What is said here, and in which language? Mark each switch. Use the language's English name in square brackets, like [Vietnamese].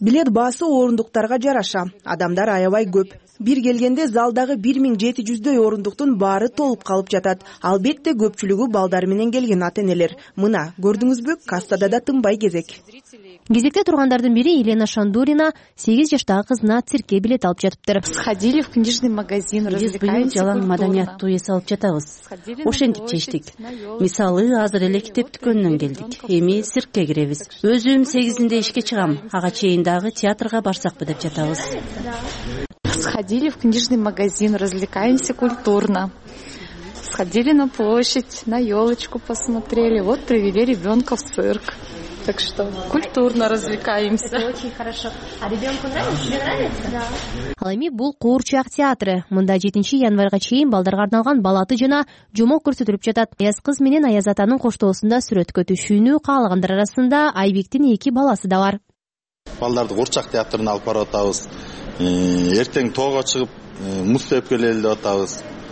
[Kyrgyz] Билет баасы орундуктарга жараша. Адамдар аябай көп. Бир келгенде залдагы 1700дөй орундуктун баары толуп калып жатат. Албетте көпчүлүгү балдар менен келген ата-энелер. Мына, көрдүңүзбү? Кассада да тынбай кезек. Кезекте тургандардын бири Елена Шандурина 8 жаштагы кызына циркке билет алып жатыптыр. [Russian] Сходили в книжный магазин, развлекались. [Kyrgyz] Жалаң маданияттуу эс алып жатабыз. Ошентип чечтик. Мисалы, азыр эле китеп дүкөнүнөн келдик. Эми циркке киребиз. Өзүм 8:00 ишке чыгам. Ага чейин дагы театрга барсакпы деп жатабыз. [Russian] Сходили в книжный магазин, развлекаемся культурно. Сходили на площадь, на елочку посмотрели. Вот привели ребенка в цирк. Так что культурно развлекаемся. Это очень хорошо. А ребенку нравится? Тебе нравится? Да. [Kyrgyz] Ал эми бул куурчак театры. Мында 7 январга чейин балдарга арналган балаты жана жомок көрсөтүлүп жатат. Аяз кыз менен Аяз атанын коштоосунда сүрөткө түшүүнү каалагандар арасында Айбектин 2 баласы да бар. Балдарды куурчак театрына алып барып атабыз. Эртең тоого чыгып муз тепип келели деп атабыз.